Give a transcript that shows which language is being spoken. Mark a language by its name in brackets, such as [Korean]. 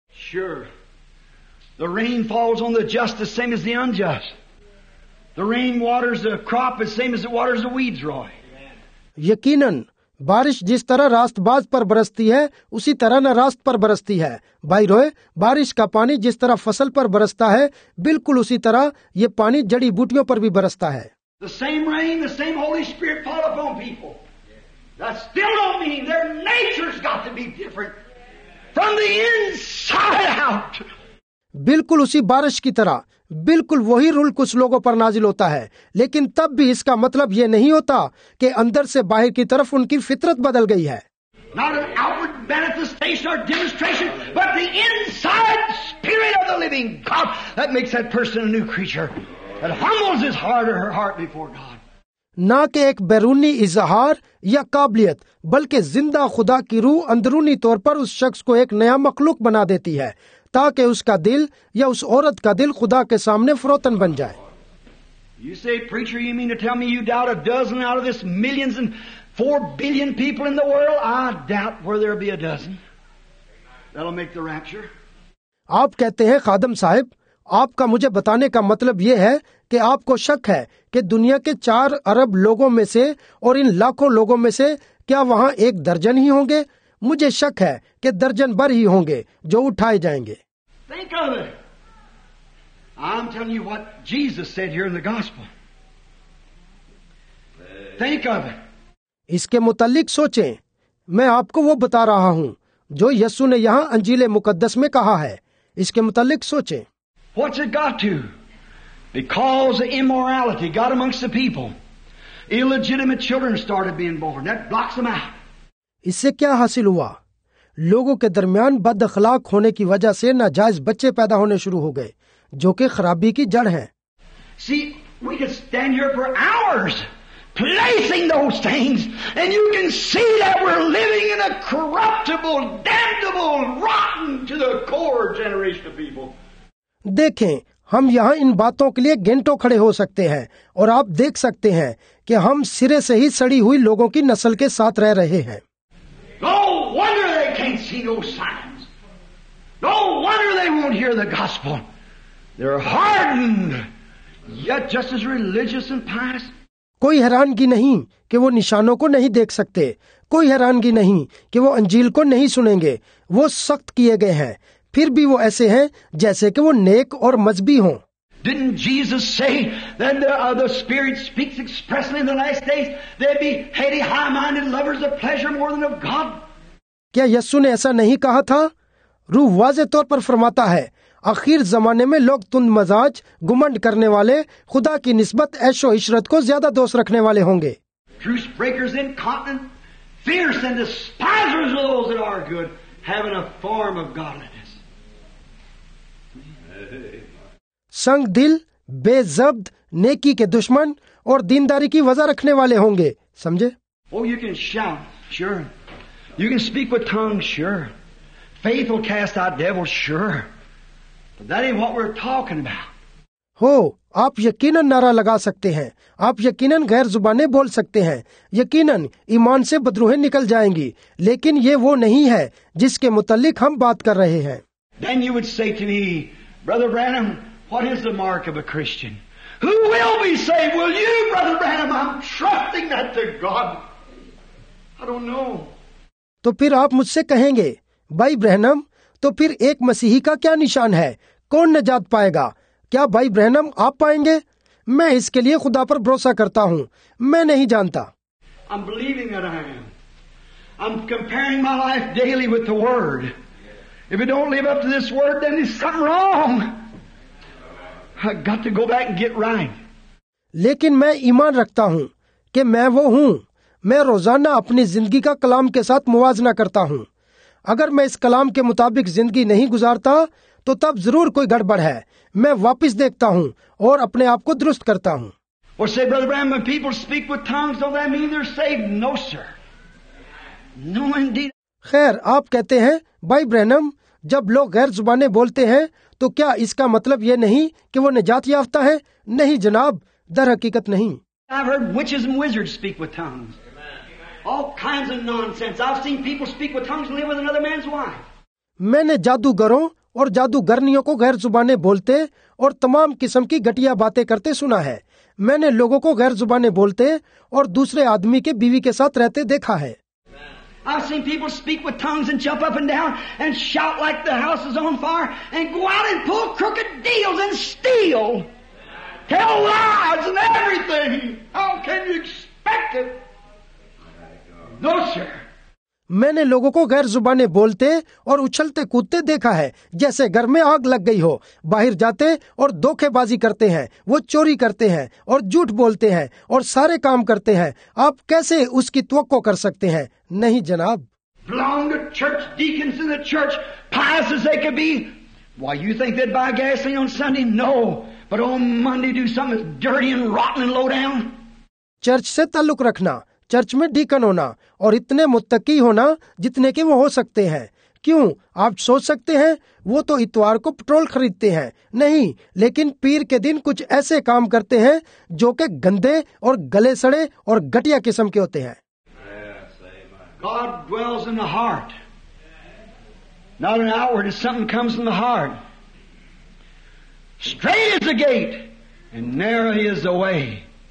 [English] Sure. The rain falls on the just the same as the unjust. The rain waters the crop the same as it waters the weeds, Roy. [Hindi] यकीनन बारिश जिस तरह रास्तबाज पर बरसती है उसी तरह नरास्त पर बरसती है। भाई रोय, बारिश का पानी जिस तरह फसल पर बरसता है बिल्कुल उसी तरह ये पानी जड़ी बूटियों पर भी बरसता है। [English] The same rain, the same Holy Spirit fall upon people. That still don't mean their nature's got to be different from the inside out. [Hindi] बिल्कुल उसी बारिश की तरह बिल्कुल वही रूल कुछ लोगों पर नाजिल होता है, लेकिन तब भी इसका मतलब ये नहीं होता कि अंदर से बाहर की तरफ उनकी फितरत बदल गई है। [English] Not an outward manifestation or demonstration, but the inside spirit of the living God that makes that person a new creature, that humbles his heart or her heart before God. [Hindi] ना कि एक बैरूनी इजहार या काबिलियत, बल्कि जिंदा खुदा की रूह अंदरूनी तौर पर उस शख्स को एक नया मखलूक बना देती है, ताकि उसका दिल या उस औरत का दिल खुदा के सामने फरोतन बन जाए। [English] You say, preacher, you mean to tell me you doubt a dozen out of this millions and 4 billion people in the world? I doubt where there'll be a dozen that'll make the rapture. [Hindi] आप कहते हैं खादम साहब, आपका मुझे बताने का मतलब ये है कि आपको शक है कि दुनिया के 4 अरब लोगों में से और इन लाखों लोगों में से क्या वहाँ एक दर्जन ही होंगे? मुझे शक है कि दर्जन भर ही होंगे जो उठाए जाएंगे। [English] Think of it. I'm telling you what Jesus said here in the gospel. Think of it. [Hindi] इसके मुतालिक सोचें। मैं आपको वो बता रहा हूँ जो यीशु ने यहाँ अंजीले मुकद्दस में कहा है। इसके मुतालिक सोचें। [English] What's it got to? Because of immorality got amongst the people, illegitimate children started being born. That blocks them out. [Hindi] इससे क्या हासिल हुआ? लोगों के दरमियान बद अखलाक होने की वजह से नाजायज बच्चे पैदा होने शुरू हो गए जो कि खराबी की जड़ है। [English] See, we could stand here for hours placing those things and you can see that we're living in a corruptible, damnable, rotten to the core generation of people. [Hindi] देखें, हम यहाँ इन बातों के लिए घंटों खड़े हो सकते हैं और आप देख सकते हैं कि हम सिरे से ही सड़ी हुई लोगों की नस्ल के साथ रह रहे हैं। [English] No wonder they can't see no signs. No wonder they won't hear the gospel. They're hardened, yet just as religious and pious. [Hindi] कोई हैरानगी नहीं कि वो निशानों को नहीं देख सकते। कोई हैरानगी नहीं कि वो अंजील को नहीं सुनेंगे। वो सख्त किए गए हैं, फिर भी वो ऐसे हैं जैसे कि वो नेक और मजबी हों। [English] Didn't Jesus say then the Spirit speaks expressly in the last days there'd be heady high-minded lovers of pleasure more than of God? [Hindi] क्या यीशु ने ऐसा नहीं कहा था? रूह वाज़े तौर पर फरमाता है, आखिर जमाने में लोग तुंद मजाज घुमंड करने वाले खुदा की निस्बत ऐशो इशरत को ज्यादा दोष रखने वाले होंगे। [English] Truth breakers incontinent, fierce and despisers of those that are good, having a form of godliness. [Hindi] संग दिल, बेजब्द, नेकी के दुश्मन और दीनदारी की वजह रखने वाले होंगे, समझे? [English] Oh, you can shout, sure. You can speak with tongues, sure. Faith will cast out devils, sure. But that ain't what we're talking about. [Hindi] हो, आप यकीनन नारा लगा सकते हैं, आप यकीनन गैर जुबाने बोल सकते हैं, यकीनन ईमान से बदरूहें निकल जाएंगी, लेकिन ये वो नहीं है जिसके मुतालिक हम बात कर रहे हैं। [English] Then you would say to me, Brother Branham, what is the mark of a Christian? Who will be saved? Will you, Brother Branham? I'm trusting that to God. I don't know. [Hindi] तो फिर आप मुझसे कहेंगे, भाई ब्रहनम, तो फिर एक मसीही का क्या निशान है? कौन निजात पाएगा? क्या भाई ब्रहनम आप पाएंगे? मैं इसके लिए खुदा पर भरोसा करता हूँ, मैं नहीं जानता। [English] I'm believing that I am. I'm comparing my life daily with the Word. If it don't live up to this Word, then there's something wrong. I got to go back and get right. [Hindi] लेकिन मैं ईमान रखता हूँ कि मैं वो हूँ। मैं रोजाना अपनी जिंदगी का कलाम के साथ मुवाजना करता हूँ। अगर मैं इस कलाम के मुताबिक जिंदगी नहीं गुजारता, तो तब जरूर कोई गड़बड़ है। मैं वापस देखता हूँ और अपने आप को दुरुस्त करता हूँ। [English] Or say, Brother Branham, when people speak with tongues, don't that mean they're saved? No, sir. No, indeed. [Hindi] खैर, आप कहते हैं, भाई ब्रैनम, जब लोग गैर जुबानें बोलते हैं, तो क्या इसका मतलब ये नहीं कि वो निजात याफ्ता है? नहीं जनाब, दर हकीकत नहीं। [English] I've heard witches and wizards speak with tongues. All kinds of nonsense. I've seen people speak with tongues and live with another man's wife. [Hindi] मैंने जादूगरों और जादूगरनियों को गैर जुबानें बोलते और तमाम किस्म की घटिया बातें करते सुना है। मैंने लोगों को गैर जुबानें बोलते और दूसरे आदमी के बीवी के साथ रहते देखा है। [English] I've seen people speak with tongues and jump up and down and shout like the house is on fire and go out and pull crooked deals and steal. Tell lies and everything. How can you expect it? No, sir. [Hindi] मैंने लोगों को गैर जुबानें बोलते और उछलते कूदते देखा है, जैसे घर में आग लग गई हो। बाहर जाते और धोखेबाजी करते हैं, वो चोरी करते हैं और झूठ बोलते हैं और सारे काम करते हैं। आप कैसे उसकी तवक्को कर सकते हैं? नहीं जनाब। [English] Belong to church, deacons in the church, pious as they could be. Why, you think they'd buy gasoline on Sunday? No. But on Monday do something dirty and rotten and low down. [Hindi] Church से ताल्लुक रखना, church में deacon होना और इतने मुत्तकी होना जितने के वो हो सकते हैं। क्यों, आप सोच सकते हैं, वो तो इतवार को पेट्रोल खरीदते हैं। नहीं, लेकिन पीर के दिन कुछ ऐसे काम करते हैं जो के गंदे और गले सड़े और घटिया किस्म के होते हैं। [English] God dwells in the heart. Not an outward, if something comes in the heart. Straight is the gate, and narrow is the way.